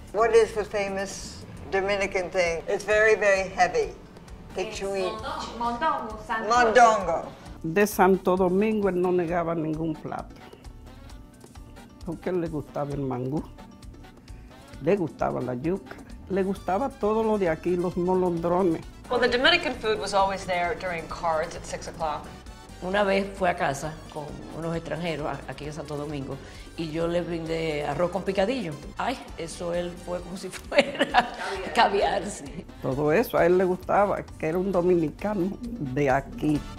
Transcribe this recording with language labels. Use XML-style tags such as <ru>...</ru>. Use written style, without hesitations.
<en>What is the famous Dominican thing? It's very, very heavy.</en> <es>Mondongo. De Santo Domingo él no negaba ningún plato. Porque le gustaba el mangú, le gustaba la yuca, le gustaba todo lo de aquí, los molondrones.</es> <en>Well, the Dominican food was always there during cards at 6 o'clock.</en> <es>Una vez fue a casa con unos extranjeros aquí en Santo Domingo y yo le brindé arroz con picadillo. Ay, eso él fue como si fuera caviar. Sí. Todo eso a él le gustaba, que era un dominicano de aquí.</es>